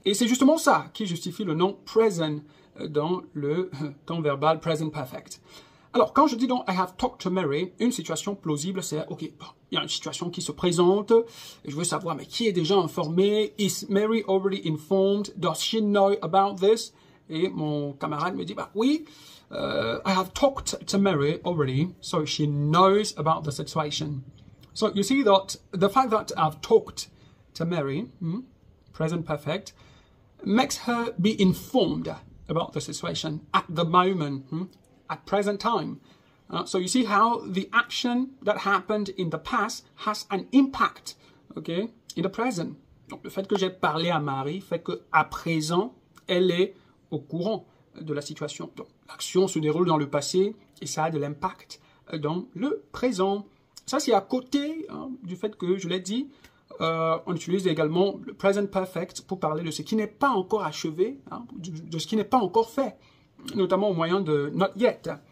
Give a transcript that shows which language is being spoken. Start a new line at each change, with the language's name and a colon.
French: Et c'est justement ça qui justifie le nom « present » dans le temps verbal « present perfect ». Alors, quand je dis donc «
English: I have talked to Mary
French: », une situation plausible, c'est « ok, il y a une situation qui se présente, et je veux savoir, mais qui est déjà informé?
English: Is Mary already informed? Does she know about this ?»
French: Et mon camarade me dit « oui,
English: I have talked to Mary already, so she knows about the situation. » So, you see that the fact that I've talked to Mary, present perfect, makes her be informed about the situation at the moment, at present time. So you see how the action that happened in the past has an impact, okay, in the present.
French: Donc le fait que j'ai parlé à Marie fait que à présent elle est au courant de la situation. Donc l'action se déroule dans le passé et ça a de l'impact dans le présent. Ça c'est à côté du fait que je l'ai dit. On utilise également le present perfect pour parler de ce qui n'est pas encore achevé, de ce qui n'est pas encore fait, notamment au moyen de not yet.